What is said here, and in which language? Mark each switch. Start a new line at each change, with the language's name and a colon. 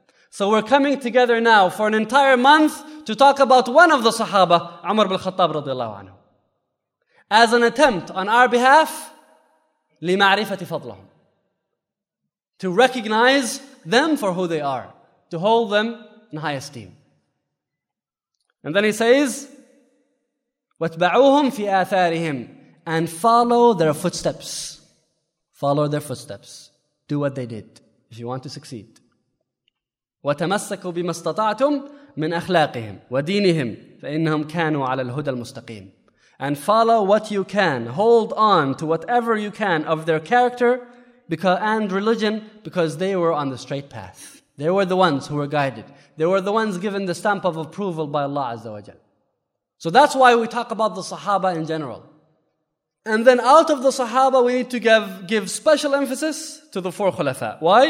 English: So we're coming together now for an entire month to talk about one of the Sahaba, Umar ibn Khattab radiallahu anhu, as an attempt on our behalf,
Arabic: لِمَعْرِفَةِ فَضْلَهُمْ
English: To recognize them for who they are, to hold them in high esteem. And then he says,
Arabic: وَاتْبَعُوهُمْ فِي آثَارِهِمْ
English: And follow their footsteps. Follow their footsteps. Do what they did, if you want to succeed.
Arabic: وَتَمَسَّكُوا بِمَا اسْتَطَعْتُمْ مِنْ أَخْلَاقِهِمْ وَدِينِهِمْ فَإِنَّهُمْ كَانُوا عَلَى الْهُدَى الْمُسْتَقِيمِ
English: And follow what you can. Hold on to whatever you can of their character and religion because they were on the straight path. They were the ones who were guided. They were the ones given the stamp of approval by Allah Azza wa Jal. So that's why we talk about the Sahaba in general. And then out of the Sahaba, we need to give special emphasis to the four Khulafa. Why?